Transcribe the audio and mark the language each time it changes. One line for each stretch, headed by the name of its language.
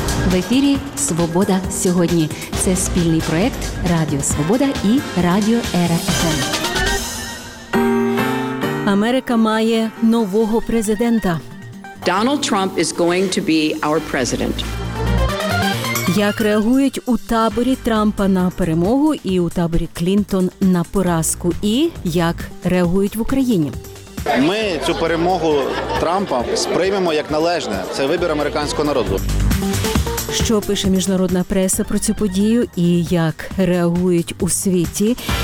Ukrainian: В ефірі «Свобода сьогодні». Це спільний проєкт «Радіо Свобода» і «Радіо РФМ». Америка має нового президента.
English: Donald Trump is going to be our president.
Ukrainian: Як реагують у таборі Трампа на перемогу і у таборі Клінтон на поразку? І як реагують в Україні? Ми цю перемогу Трампа сприймемо як належне. Це вибір американського народу. Що пише міжнародна преса про цю подію і як реагують у світі?